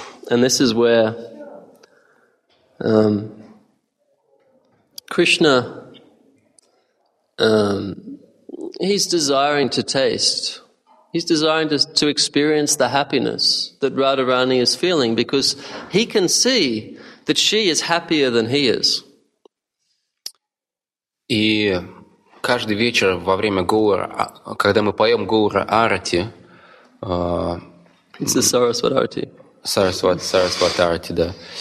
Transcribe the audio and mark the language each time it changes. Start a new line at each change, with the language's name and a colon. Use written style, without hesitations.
English: And this is where Krishna, he's desiring to taste He's desiring to experience the happiness that Radharani is feeling because he can see that she is happier than he is.
Russian: И каждый вечер во время Гоура, когда мы поем Гоура Арати,
English: It's the Saraswat Arati.
Russian: Saraswat Arati, да.